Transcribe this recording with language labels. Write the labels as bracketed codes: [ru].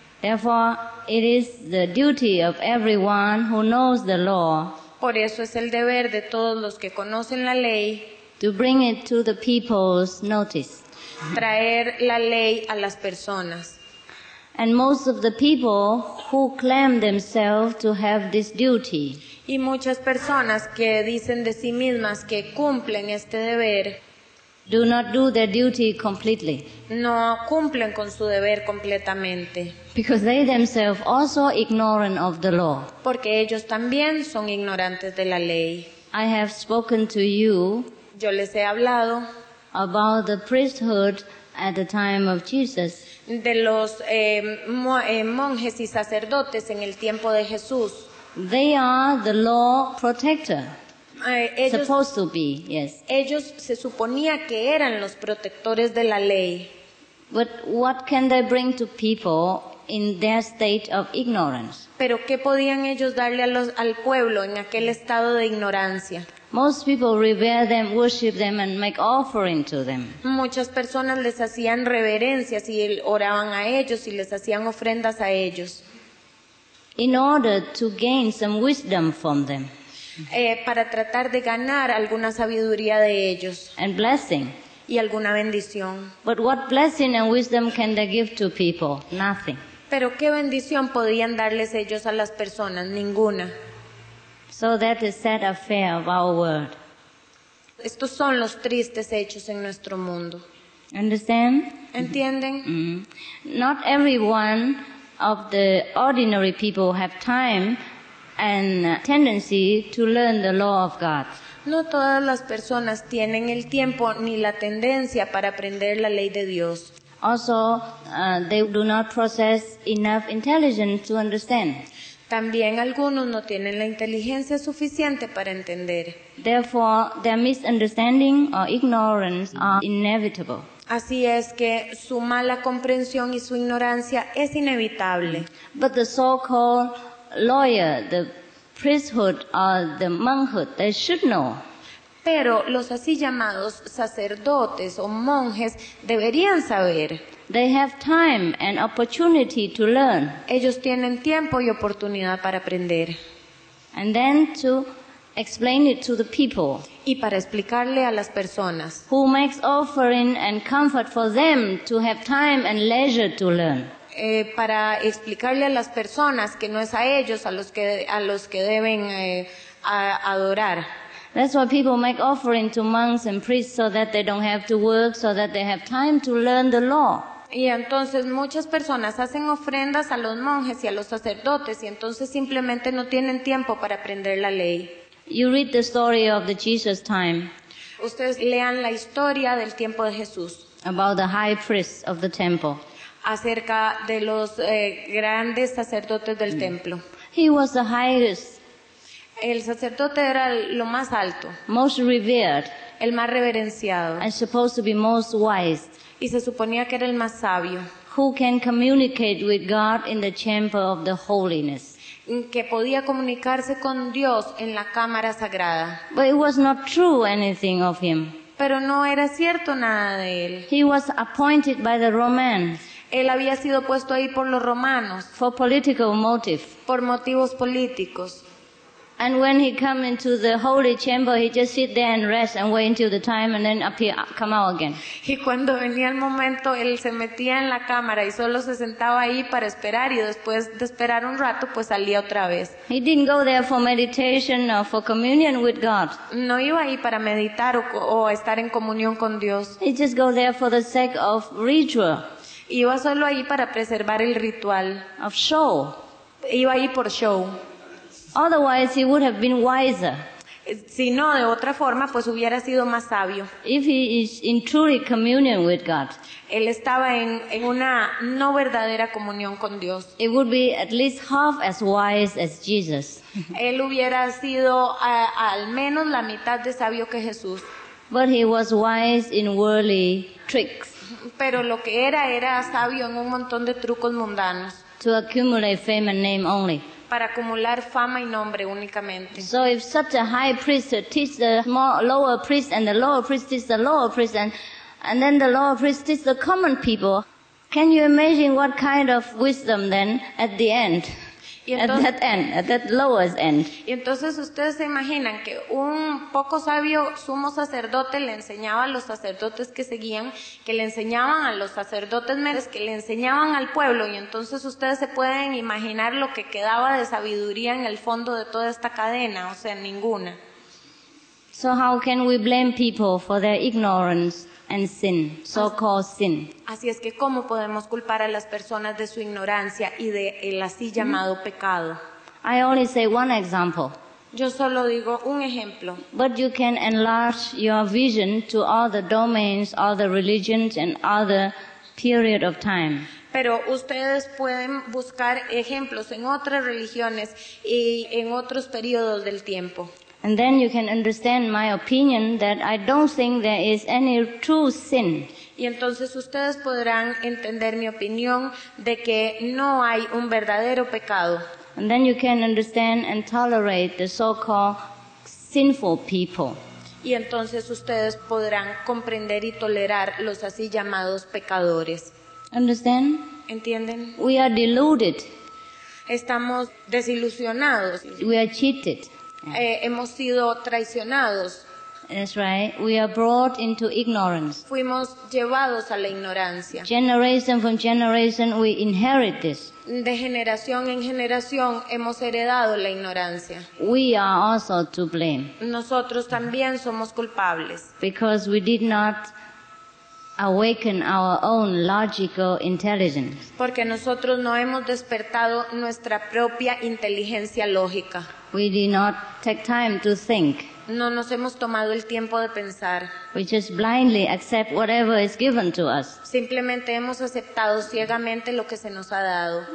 [en] Therefore, it is the duty of everyone who knows the law. [es] Por eso es el deber de todos los que conocen la ley. [en] To bring it to the people's notice. [es] Traer la ley a las personas. [en] And most of the people who claim themselves to have this duty. [es] Y muchas personas que dicen de sí mismas que cumplen este deber. [en] do not do their duty completely. [es] No cumplen con su deber completamente. [en] Because they themselves also ignorant of the law. [es] Porque ellos también son ignorantes de la ley. [en] I have spoken to you. [es] Yo les he hablado [en] about the priesthood at the time of Jesus. [es] De los monjes y sacerdotes en el tiempo de Jesús. [en] They are the law protector. Ellos, supposed to be, yes. [es] Ellos se suponía que eran los protectores de la ley. [en] But what can they bring to people in their state of ignorance? [es] Pero qué podían ellos darle a los, al pueblo en aquel estado de ignorancia? [en] Most people revere them, worship them, and make offering to them. [es] Muchas personas les hacían reverencias y oraban a ellos y les hacían ofrendas a ellos. [en] In order to gain some wisdom from them. [es] Para tratar de ganar alguna sabiduría de ellos. [en] And blessing. [es] Y alguna bendición. [en] But what blessing and wisdom can they give to people? Nothing. [es] Pero qué bendición podían darles ellos a las personas? Ninguna. [en] So that is sad affair of our world. [es] Estos son los tristes hechos en nuestro mundo. [en] Understand? [es] ¿Entienden? Mm-hmm. [en] Not everyone of the ordinary people have time and tendency to learn the law of God. [es] No todas las personas tienen el tiempo ni la tendencia para aprender la ley de Dios. [en] Also, they do not possess enough intelligence to understand. [es] También algunos no tienen la inteligencia suficiente para entender. [en] Therefore, their misunderstanding or ignorance are inevitable. [es] Así es que su mala comprensión y su ignorancia es inevitable. [en] But the so-called lawyer, the priesthood or the monkhood, they should know. [es] Pero los así llamados sacerdotes o monjes deberían saber. [en] They have time and opportunity to learn. [es] Ellos tienen tiempo y oportunidad para aprender. [en] And then to explain it to the people. [es] Y para explicarle a las personas. [en] Who makes offering and comfort for them to have time and leisure to learn. [es] Para explicarle a las personas que no es a ellos a los que deben adorar. [en] That's why people make offering to monks and priests so that they don't have to work, so that they have time to learn the law. [es] Y entonces muchas personas hacen ofrendas a los monjes y a los sacerdotes y entonces simplemente no tienen tiempo para aprender la ley. [en] You read the story of the Jesus time. [es] Ustedes lean la historia del tiempo de Jesús. [en] About the high priest of the temple. [es] Acerca de los grandes sacerdotes del templo. [en] He was the highest. [es] El sacerdote era lo más alto. [en] Most revered. [es] El más reverenciado. [en] And supposed to be most wise. [es] Y se suponía que era el más sabio. [en] Who can communicate with God in the chamber of the holiness. [es] Que podía comunicarse con Dios en la cámara sagrada. [en] But it was not true anything of him. [es] Pero no era cierto nada de él. [en] He was appointed by the Romans. [es] Él había sido puesto ahí por los romanos. [en] For political motive. [es] Por motivos políticos. [en] And when he come into the holy chamber, he just sit there and rest and wait until the time and then appear, come out again. [es] Y cuando venía el momento, él se metía en la cámara y solo se sentaba ahí para esperar y después de esperar un rato, pues salía otra vez. [en] He didn't go there for meditation or for communion with God. [es] No iba ahí para meditar o estar en comunión con Dios. [en] He just go there for the sake of ritual. [es] Iba solo ahí para preservar el ritual. [en] Of show. [es] Iba ahí por show. [en] Otherwise, he would have been wiser. [es] Si no, de otra forma, pues hubiera sido más sabio. [en] If he is in truly communion with God. [es] Él estaba en una no verdadera comunión con Dios. [en] It would be at least half as wise as Jesus. [es] Él hubiera sido al menos la mitad de sabio que Jesús. [en] But he was wise in worldly tricks. [es] Pero lo que era sabio en un montón de trucos mundanos. [en] To accumulate fame and name only. [es] Para acumular fama y nombre únicamente. [en] So if such a high priest teaches the lower priest and the lower priest teaches the lower priest and then the lower priest teaches the common people, can you imagine what kind of wisdom then at the end? At that lowest end. [es] Y entonces ustedes se imaginan que un poco sabio sumo sacerdote le enseñaba a los sacerdotes que seguían, que le enseñaban a los sacerdotes menores, que le enseñaban al pueblo. Y entonces ustedes se pueden imaginar lo que quedaba de sabiduría en el fondo de toda esta cadena, o sea, ninguna. [en] So how can we blame people for their ignorance and sin, so-called sin? [es] Así es que cómo podemos culpar a las personas de su ignorancia y de el así llamado pecado. [en] I only say one example. [es] Yo solo digo un ejemplo. [en] But you can enlarge your vision to all the domains, all the religions, and all the period of time. [es] Pero ustedes pueden buscar ejemplos en otras religiones y en otros periodos del tiempo. [en] And then you can understand my opinion that I don't think there is any true sin. [es] Y entonces ustedes podrán entender mi opinión de que no hay un verdadero pecado. [en] And then you can understand and tolerate the so-called sinful people. [es] Y entonces ustedes podrán comprender y tolerar los así llamados pecadores. [en] Understand? [es] ¿Entienden? [en] We are deluded. [es] Estamos desilusionados. [en] We are cheated. [es] Hemos sido traicionados. [en] That's right. We are brought into ignorance. [es] Fuimos llevados a la ignorancia. [en] Generation from generation, we inherit this. [es] De generación en generación hemos heredado la ignorancia. [en] We are also to blame. [es] Nosotros también somos culpables. [en] Because we did not awaken our own logical intelligence. [es] Porque nosotros no hemos despertado nuestra propia inteligencia lógica. [en] We did not take time to think. [es] No nos hemos tomado el tiempo de pensar. [en] We just blindly accept whatever is given to us. [es] Simplemente hemos aceptado ciegamente lo que se nos ha dado.